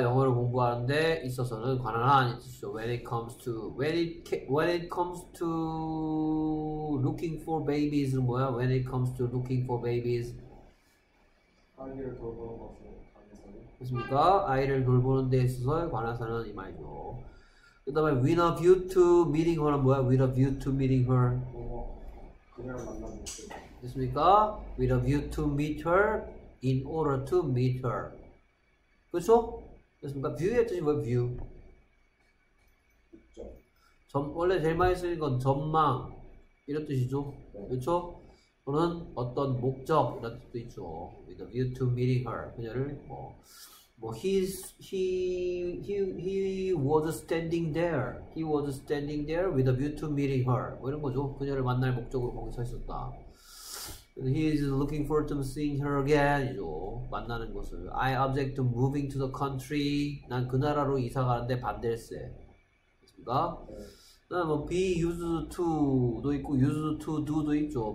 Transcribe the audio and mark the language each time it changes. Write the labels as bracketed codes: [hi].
[ko] 영어를 공부하는데 있어서는 관한한 있죠. [en] When it comes to when it comes to looking for babies [ko] 뭐야? [en] When it comes to looking for babies. [ko] 아이를 돌보는 것에 관해서는. 됐습니까? 아이를 돌보는 데 있어서 관한사는 이 말이죠. 그다음에 [en] with a view to meeting her [ko] 뭐야? [en] With a view to meeting her. [ko] 그녀를 만나는 것. 됐습니까? [en] With a view to meet her in order to meet her. [ko] 그렇죠? 그렇습니까? view의 뜻이 뭐예요? view? 목적. 원래 제일 많이 쓰는 건 전망 이런 뜻이죠. 그렇죠? 또는 어떤 목적 이런 뜻도 있죠. [en] With a view to meeting her, [ko] 그녀를 뭐 [en] he was standing there with a view to meeting her. [ko] 뭐 이런 거죠. 그녀를 만날 목적으로 거기 서 있었다. [en] He is looking forward to seeing her again. [ko] 이죠. 만나는 것을. [en] I object to moving to the country. [ko] 난 그 나라로 이사 가는데 반대세. 그니까. 네. [en] Be used to [ko] 도 있고, [en] used to do [ko] 도 있죠.